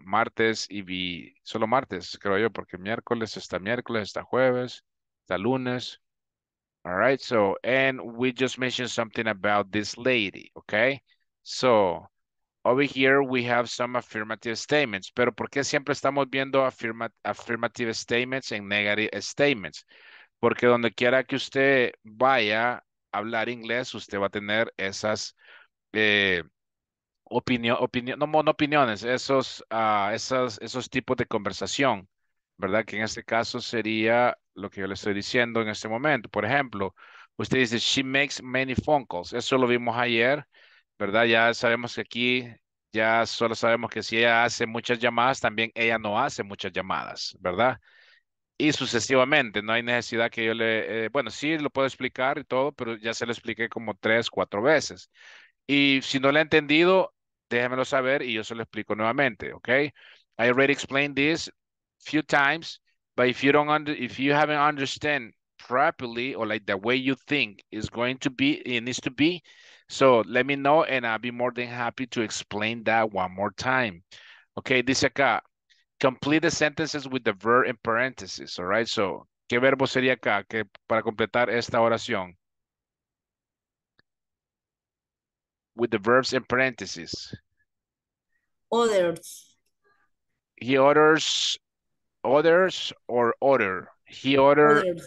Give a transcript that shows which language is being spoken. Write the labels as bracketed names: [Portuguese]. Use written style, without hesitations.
[Spanish] Martes y vi, solo martes, creo yo, porque miércoles, está jueves, está lunes. [English] All right, so, and we just mentioned something about this lady, okay? So, over here, we have some affirmative statements. [Spanish] Pero, ¿por qué siempre estamos viendo affirmative statements and negative statements? Porque donde quiera que usted vaya a hablar inglés, usted va a tener esas esos tipos de conversación, ¿verdad? Que en este caso sería lo que yo le estoy diciendo en este momento. [English] Por ejemplo, usted dice, she makes many phone calls. [Spanish] Eso lo vimos ayer, ¿verdad? Ya sabemos que aquí, ya solo sabemos que si ella hace muchas llamadas, también ella no hace muchas llamadas, ¿verdad? Y sucesivamente, no hay necesidad que yo le, bueno, sí lo puedo explicar y todo, pero ya se lo expliqué como 3-4 veces. Y si no lo he entendido, déjemelo saber y yo se lo explico nuevamente, okay? [English] I already explained this few times, but if you don't if you haven't understand properly or like the way you think is going to be, it needs to be, so let me know and I'll be more than happy to explain that one more time. Okay, dice acá, complete the sentences with the verb in parentheses, all right? [Spanish] So, ¿qué verbo sería acá que para completar esta oración? [English] With the verbs in parentheses. Others. He orders others or order? He order.